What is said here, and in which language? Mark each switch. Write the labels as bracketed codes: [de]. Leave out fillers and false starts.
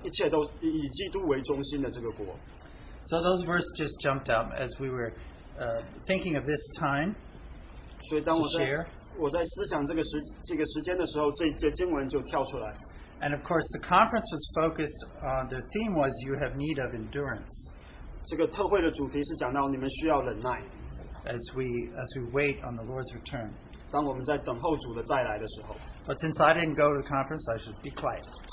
[zh] 一切都以基督为中心的这个国。 [en] So those verses just jumped out as we were thinking of this time. [zh] 所以当我在思想这个时间的时候，这节经文就跳出来。 [en] And of course, the conference was focused on the theme was you have need of endurance. [zh] 这个特会的主题是讲到你们需要忍耐。 [en] As we wait on the Lord's return. [zh] 当我们在等候主的再来的时候, [en] but since I didn't go to the conference, I should be quiet.